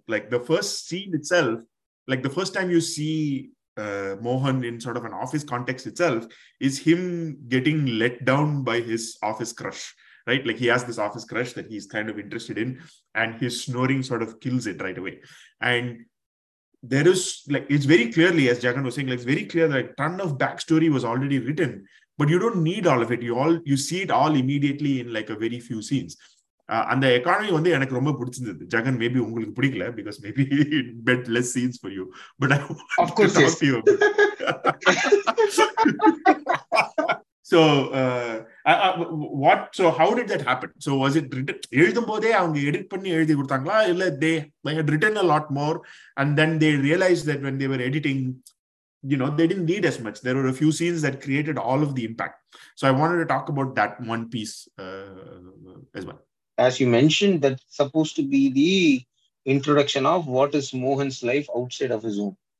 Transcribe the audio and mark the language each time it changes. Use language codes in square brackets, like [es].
[en] Like the first scene itself, like the first time you see Mohan in sort of an office context itself is him getting let down by his office crush, right? Like he has this office crush that he's kind of interested in, and his snoring sort of kills it right away. And there is, like, it's very clearly, as Jagan was saying, like, it's very clear that a ton of backstory was already written, but you don't need all of it. You see it all immediately in, like, a very few scenes. And the economy one day, [ta] எனக்கு ரொம்ப பிடிச்சிருந்தது. [en] Jagan, maybe [ta] உங்களுக்கு பிடிக்கல, [en] because maybe it meant less scenes for you. But I want of course, to talk yes. to you. So how did that happen? So was it written? [ta] எழுதும் போதே அவங்க edit பண்ணி எழுதி கொடுத்தாங்களா? இல்ல [en] they had written a lot more and then they realized that when they were editing, you know, they didn't need as much. There were a few scenes that created all of the impact. So I wanted to talk about that one piece as well. As you mentioned, that's supposed to be the introduction of what is Mohan's life outside of his home.